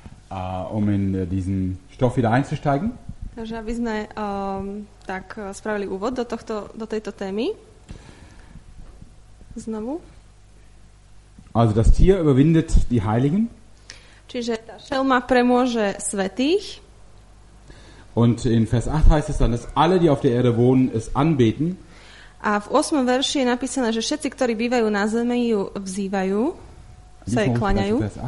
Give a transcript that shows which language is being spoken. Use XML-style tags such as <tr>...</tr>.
<de>A um in diesen Stoff wieder einzusteigen.</de> <sk>Takže aby sme tak spravili úvod do tejto témy. Znovu.</sk> <de>Also das Tier überwindet die Heiligen.</de> <sk>Čiže tá šelma premôže svätých.</sk> <de>Und in Vers 8 heißt es dann, dass alle, die auf der Erde wohnen, es anbeten.</de> <sk>A v 8. verši je napísané, že všetci, ktorí bývajú na zemi, ju vzývajú, sa jej kláňajú.</sk>